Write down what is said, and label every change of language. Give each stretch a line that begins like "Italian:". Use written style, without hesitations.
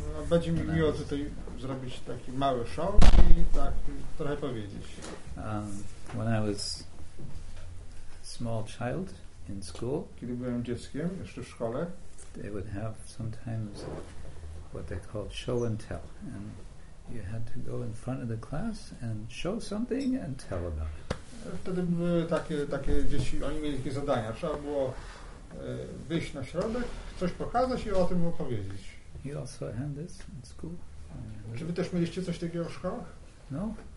Polish: Będziemy miło tutaj zrobić taki mały show I tak trochę powiedzieć.
English: When I was small child in school,
Polish: kiedy byłem dzieckiem jeszcze w szkole,
English: they would have sometimes what they called show and tell, and you had to go in front of the class and show something and tell about it.
Polish: Wtedy były takie dzieci, oni mieli takie zadania. Trzeba było wyjść na środek, coś pokazać I o tym opowiedzieć.
English: You also had this in school?
Polish: Czy wy też mieliście coś takiego w szkołach?
English: No.